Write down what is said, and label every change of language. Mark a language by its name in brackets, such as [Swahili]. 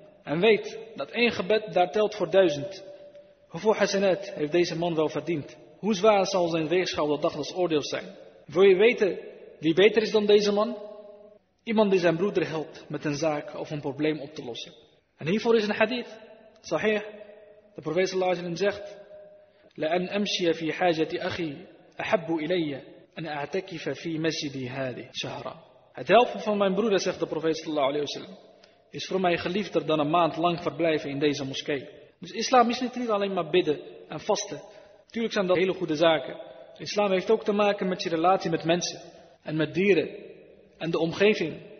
[Dutch] En weet dat één gebed daar telt voor 1000. Hoeveel hasanat heeft deze man wel verdiend? Hoe zwaar zal zijn weegschaal de dag des oordeels zijn? Wil je weten wie beter is dan deze man? Iemand die zijn broeder helpt met een zaak of een probleem op te lossen. En hiervoor is een hadith. Sahih. De profeet sallallahu alayhi wa sallam zegt, [Arabic] لأن أمشي في حاجة أخي أحب إلي أن أعتكف في مسجدي هذه شهرا. [Dutch] Het helpen van mijn broeder, zegt de profeet sallallahu alayhi wa sallam, is voor mij geliefder dan een maand lang verblijven in deze moskee. Dus islam is niet alleen maar bidden en vasten. Natuurlijk zijn dat hele goede zaken. Islam heeft ook te maken met je relatie met mensen en met dieren en de omgeving.